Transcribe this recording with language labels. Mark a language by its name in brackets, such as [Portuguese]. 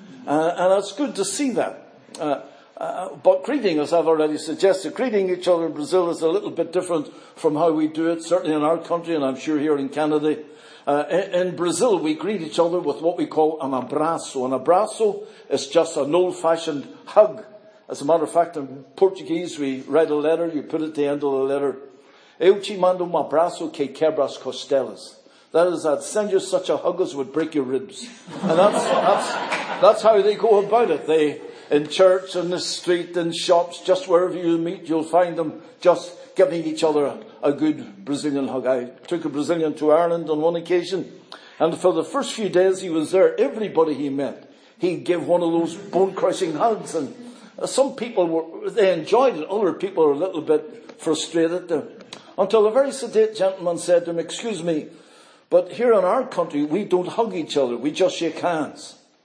[English] And it's good to see that. But greeting, as I've already suggested, greeting each other in Brazil is a little bit different from how we do it, certainly in our country, and I'm sure here in Canada. In Brazil, we greet each other with what we call an abraço. An abraço is just an old-fashioned hug. As a matter of fact, in Portuguese, we write a letter, you put it at the end of the letter. [Portuguese] Eu te mando um abraço que quebra as costelas. [English] That is, I'd send you such a hug as would break your ribs. And that's how they go about it. They, in church, in the street, in shops, just wherever you meet, you'll find them just giving each other a good Brazilian hug. I took a Brazilian to Ireland on one occasion, and for the first few days he was there, everybody he met, he gave one of those bone-crushing hugs, and some people, they enjoyed it, other people were a little bit frustrated, until a very sedate gentleman said to him, excuse me, but here in our country, we don't hug each other, we just shake hands.